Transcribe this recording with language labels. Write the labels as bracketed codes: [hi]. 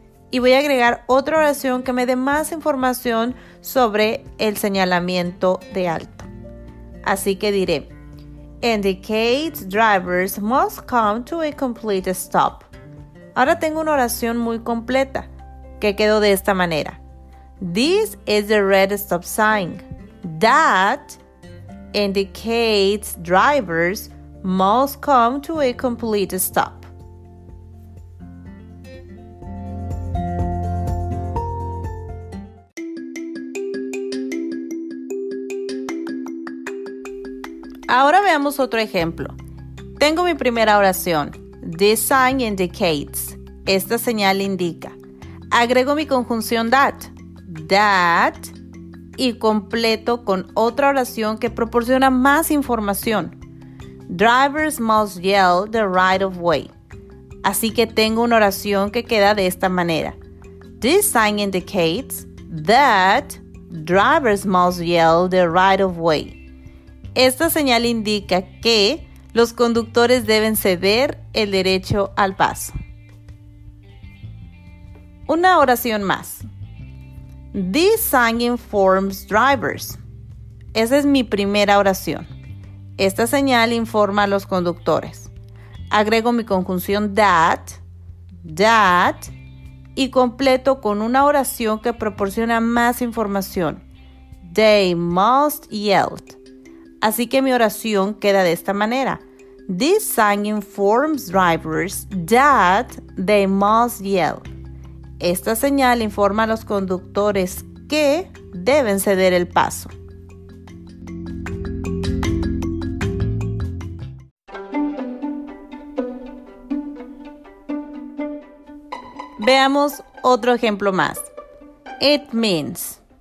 [es] Y voy a agregar otra oración que me dé más información sobre el señalamiento de alto. Así que diré: [en] Indicate drivers must come to a complete stop. [es] Ahora tengo una oración muy completa que quedó de esta manera. [en] This is the red stop sign. That indicates drivers must come to a complete stop. [es] Ahora veamos otro ejemplo. Tengo mi primera oración. [en] This sign indicates. [es] Esta señal indica. Agrego mi conjunción that. Y completo con otra oración que proporciona más información. [en] Drivers must yell the right of way. [es] Así que tengo una oración que queda de esta manera. [en] This sign indicates that drivers must yell the right of way. [es] Esta señal indica que los conductores deben ceder el derecho al paso. Una oración más. [en] This sign informs drivers. [es] Esa es mi primera oración. Esta señal informa a los conductores. Agrego mi conjunción that, y completo con una oración que proporciona más información. [en] They must yield. [es] Así que mi oración queda de esta manera. [en] This sign informs drivers that they must yield. [es] Esta señal informa a los conductores que deben ceder el paso. Veamos otro ejemplo más. [en] It means.